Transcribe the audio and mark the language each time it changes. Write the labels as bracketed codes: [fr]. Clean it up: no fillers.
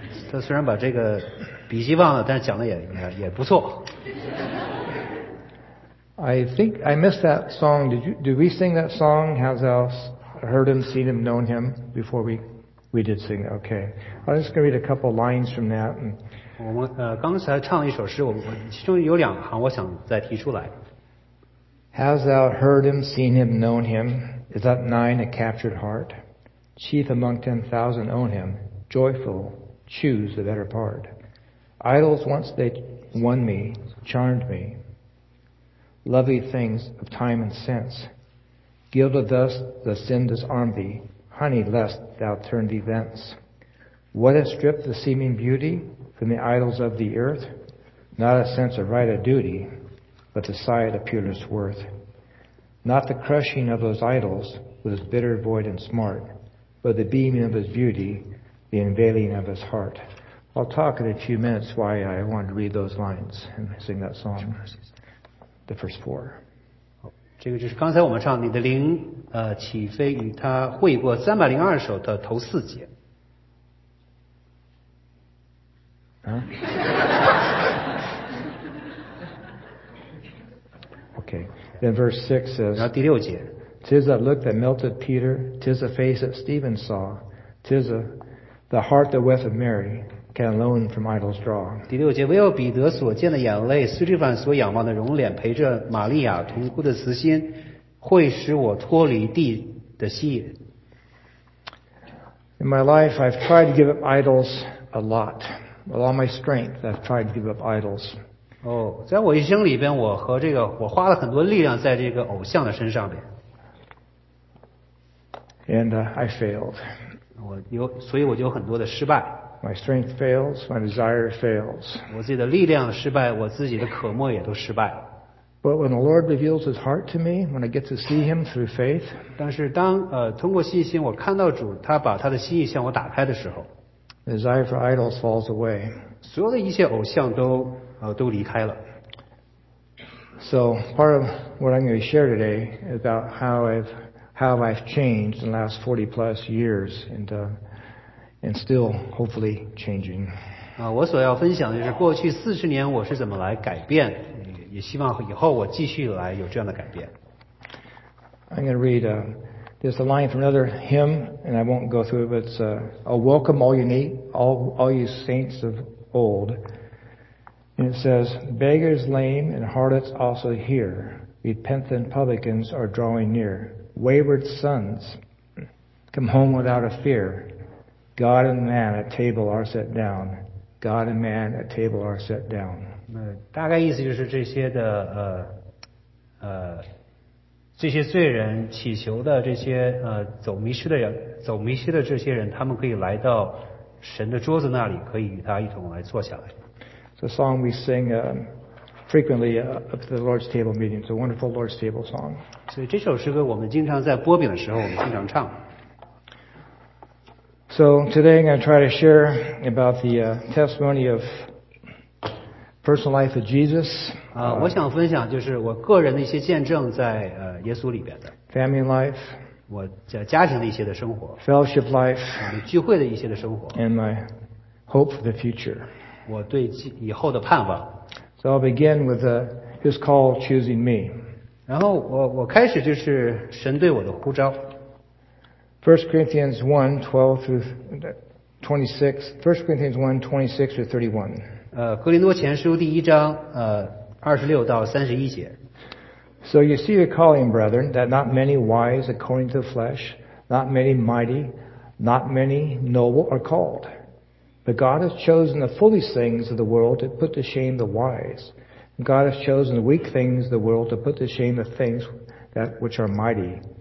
[zh] 他虽然把这个笔记忘了，但讲的也不错。 [en] I think I missed that song. Did we sing that song? Has else heard him, seen him, known him before We did sing that. Okay. I'm just going to read a couple lines from that. [zh] 我们刚才唱了一首诗，其中有两行我想再提出来。 [en] Hast thou heard him, seen him, known him? Is that nine a captured heart? Chief among 10,000 own him. Joyful, choose the better part. Idols once they won me, charmed me. Lovely things of time and sense. Gilded thus the sin disarmed thee. Honey, lest thou turn thee thence. What has stripped the seeming beauty from the idols of the earth? Not a sense of right or duty, but the sight of pureness worth. Not the crushing of those idols with his bitter void and smart, but the beaming of his beauty, the unveiling of his heart. I'll talk in a few minutes why I wanted to read those lines and sing that song, the first four. [zh] 这个就是刚才我们唱你的灵起飞与他会过302首的头四节。 [en] Okay, then verse 6 says, [zh] 然后第六节 [en] 'Tis a look that melted Peter, 'tis a face that Stephen saw, 'tis the heart that wept of Mary, can alone from idols draw. [zh] 第六节唯有彼得所见的眼泪斯蒂凡所仰望的容脸陪着玛利亚同哭的慈心会使我脱离地的吸引。 [en] In my life, I've tried to give up idols a lot. With all my strength, I've tried to give up idols. [zh] 在我一生里边我花了很多力量在这个偶像的身上边。 [en] And I failed. [zh] 所以我就有很多的失败。 [en] My strength fails, my desire fails. [zh] 我自己的力量失败，我自己的渴慕也都失败。 [en] But when the Lord reveals His heart to me, when I get to see Him through faith, [zh] 但是当通过信心，我看到主他把他的心意向我打开的时候 [en] ，the desire for idols falls away. [zh] 所有的一切偶像都离开了。 [en] So part of what I'm going to share today is about how I've changed in the last 40 plus years and still hopefully changing. [zh] 我所要分享的就是过去40年我是怎么来改变，也希望以后我继续来有这样的改变。 [en] I'm going to read there's a line from another hymn, and I won't go through it, but it's a welcome all you need, all you saints of old. And it says, beggars lame and harlots also here, repentant publicans are drawing near, wayward sons come home without a fear. God and man at table are set down. God and man at table are set down. [zh] 大概意思就是这些的这些罪人祈求的这些走迷失的这些人，他们可以来到神的桌子那里，可以与他一同来坐下来。 [en] It's a song we sing frequently at the Lord's table meeting. It's a wonderful Lord's table song. [zh] 所以这首诗歌我们经常在擘饼的时候，我们经常唱。 [en] So today I'm going to try to share about the testimony of personal life of Jesus. [zh] 我想分享就是我个人的一些见证在耶稣里边的。 [en] Family life. [zh] 我家庭的一些的生活。 [en] Fellowship life. [zh] 聚会的一些的生活。 [en] And my hope for the future. [zh] 我对以后的盼望。 [en] So I'll begin with His call choosing me. [zh] 然后我开始就是神对我的呼召。 [en] 1 Corinthians 1, 12 through 26, 1 Corinthians 1, 26 through 31. [zh] 哥林多前书第一章26到31节。 [en] So you see the calling, brethren, that not many wise according to the flesh, not many mighty, not many noble are called. But God has chosen the foolish things of the world to put to shame the wise. God has chosen the weak things of the world to put to shame the things that which are mighty.